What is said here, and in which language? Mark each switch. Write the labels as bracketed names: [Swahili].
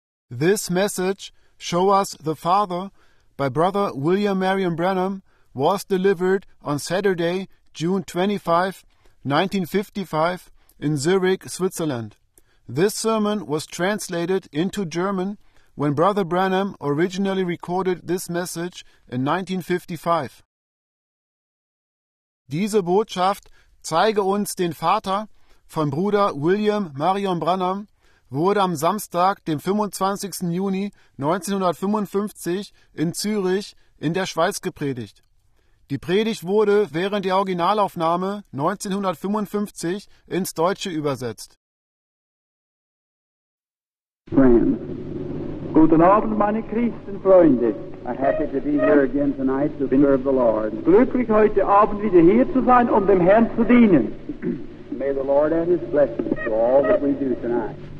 [English] This message, "Show Us the Father," by Brother William Marion Branham, was delivered on Saturday, June 25, 1955, in Zurich, Switzerland. This sermon was translated into German when Brother Branham originally recorded this message in 1955. [German] Diese Botschaft, "Zeige uns den Vater," von Bruder William Marion Branham, wurde am Samstag, dem 25. Juni 1955 in Zürich in der Schweiz gepredigt. Die Predigt wurde während der Originalaufnahme 1955 ins Deutsche übersetzt. Friends. Guten Abend, meine Christenfreunde. [English] I'm happy to be here again tonight to serve the Lord. [German] Glücklich, heute Abend wieder hier zu sein, um dem Herrn zu dienen. [English] May the Lord add his blessings to all that we do tonight.